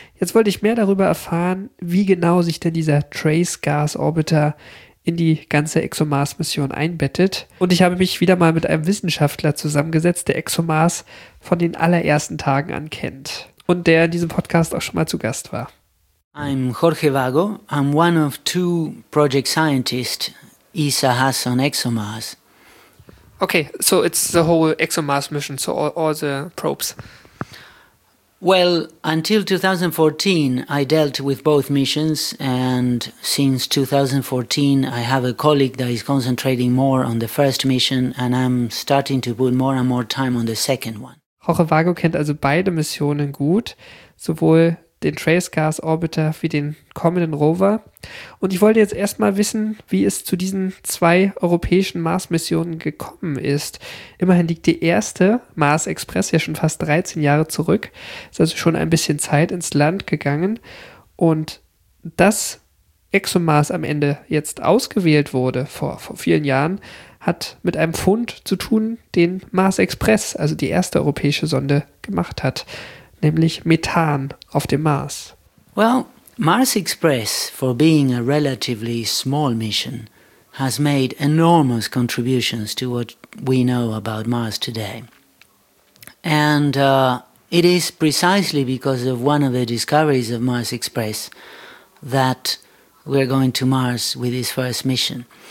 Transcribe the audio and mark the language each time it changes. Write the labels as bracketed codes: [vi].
[de] Jetzt wollte ich mehr darüber erfahren, wie genau sich denn dieser Trace Gas Orbiter in die ganze ExoMars-Mission einbettet. Und ich habe mich wieder mal mit einem Wissenschaftler zusammengesetzt, der ExoMars von den allerersten Tagen an kennt und der in diesem Podcast auch schon mal zu Gast war. [en] I'm Jorge Vago. I'm one of two project scientists ESA has on ExoMars. Okay, so it's the whole ExoMars mission, so all the probes. Well, until 2014, I dealt with both missions, and since 2014, I have a colleague that is concentrating more on the first mission, and I'm starting to put more and more time on the second one. [de] Jorge Vago kennt also beide Missionen gut, sowohl den Trace Gas Orbiter wie den kommenden Rover. Und ich wollte jetzt erstmal wissen, wie es zu diesen zwei europäischen Mars-Missionen gekommen ist. Immerhin liegt die erste Mars Express ja schon fast 13 Jahre zurück. Ist also schon ein bisschen Zeit ins Land gegangen. Und dass ExoMars am Ende jetzt ausgewählt wurde vor vielen Jahren, hat mit einem Fund zu tun, den Mars Express, also die erste europäische Sonde, gemacht hat, nämlich Methan auf dem Mars. [en] Well, Mars Express, for being a relatively small mission, has made enormous contributions to what we know about Mars today. And it is precisely because of one of the discoveries of Mars Express that we're going to Mars with this first mission.